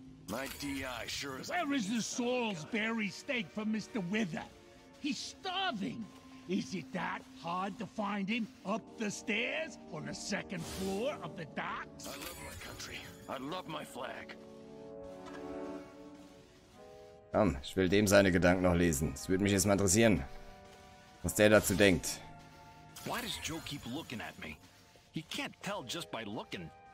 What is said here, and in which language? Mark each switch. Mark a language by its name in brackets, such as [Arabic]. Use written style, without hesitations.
[English] My DI sure is. Where is the Salisbury steak from Mr. Wither? He's starving. Is it that hard to find him up the stairs on the second floor of the docks? I love my country. I love my flag. [German] Komm, ich will dem seine Gedanken noch lesen. Es würde mich jetzt mal interessieren, was der dazu denkt. [English] Why does Joe keep looking at me? He can't tell just by looking.